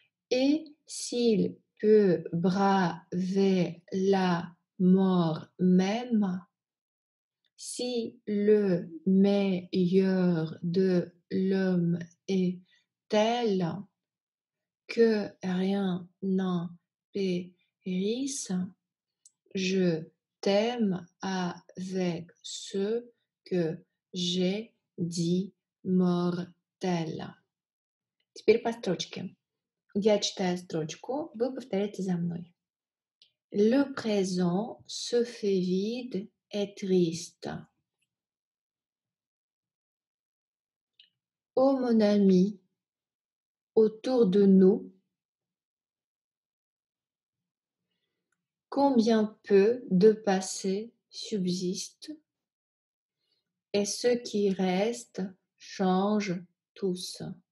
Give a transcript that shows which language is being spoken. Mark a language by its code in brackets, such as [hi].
[fr] Et s'il peut braver la mort même, si le meilleur de l'homme est tel que rien n'en périsse, je t'aime avec ce que j'ai dit mortel. [ru] Теперь по строчке. Я читаю строчку, вы повторяете за мной. [fr] Le présent se fait vide et triste. Ô mon ami, autour de nous, combien peu de passé subsiste et ce qui reste change tous.